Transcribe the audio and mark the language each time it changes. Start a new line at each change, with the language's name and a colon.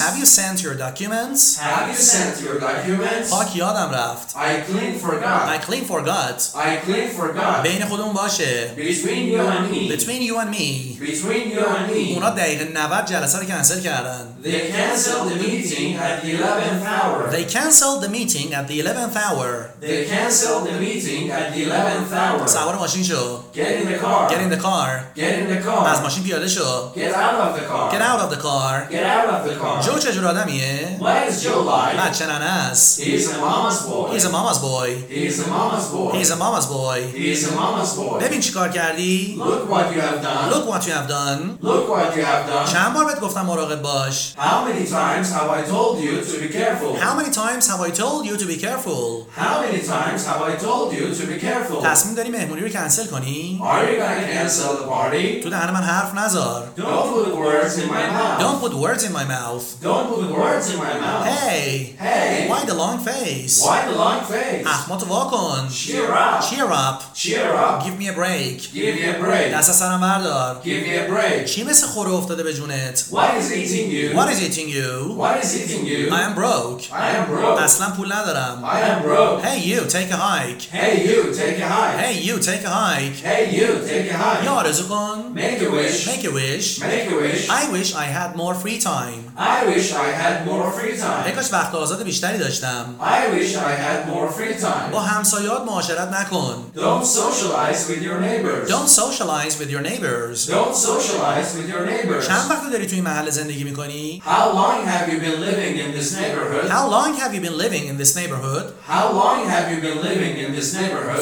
English: Have you sent your documents? Have you sent your documents?
Persian: پاک یادم رفت.
English: I clean forgot. I clean forgot. I clean forgot.
Persian: بین خودمون باشه.
English: Between you and me. Between you and me. Between you and me.
Persian: اونا دقیقه 90 جلسه رو کنسل کردن.
English: Canceled the meeting at the 11th hour. They canceled the meeting at the 11th hour. They canceled the meeting at the 11th hour.
Persian: سوار ماشین شو.
English: Get in the car. Get in the car. Get in the car.
Persian: از ماشین پیاده شو.
English: Get out of the car. Get out of the car. Get out of the car.
Persian: جو چجور آدمیه؟
English: Why is Joe like?
Persian: بچه ننه است.
English: He's a mama's boy. He's a mama's boy. He's a mama's boy. He's a mama's boy. He's a mama's boy.
Persian: ببین چی کار کردی؟
English: Look what you have done. Look what you have done. Look what you have done.
Persian: چند بار بهت گفتم مراقب باش.
English: How many times have I told you to be careful? How many times have I told you to be careful? How many times have I told you to be careful?
Persian: تصمیم داری مهمونی رو کنسل کنی؟
English: Are you going to cancel the party?
Persian: تو دهن من حرف نذار.
English: Don't put words in my mouth. Don't put words in my mouth. Don't put words in my mouth. Hey. Hey. Why the long face? Why the long face?
Persian: احمد واکن.
English: Cheer up. Cheer up. Cheer up. Give me a break. Give me a break.
Persian: دست از سرم بردار.
English: Give me a break.
Persian: چی مثل خوره افتاده به جونت؟
English: What is eating you? What is eating you? What is eating you? I am broke. I am broke.
Persian: اصلا پول ندارم.
English: I am broke. Hey you, take a hike. Hey you, take a hike. Hey you, take a hike. Hey you, take a hike.
Persian: یه آرزو کن.
English: Make a wish. Make a wish. Make a wish. I wish I had more free time. I wish I had more free time.
Persian: بکاش وقت آزاد بیشتری داشتم. داشتم.
English: I wish I had more free time.
Persian: با همسایات معاشرت نکن.
English: Don't socialize with your neighbors. Don't socialize with your neighbors. Don't socialize with your neighbors.
Persian: چند وقت داری توی این محله زندگی می‌کنی؟
English: How long have you been living in this neighborhood? How long have you been living in this neighborhood? How long have you been living in this neighborhood?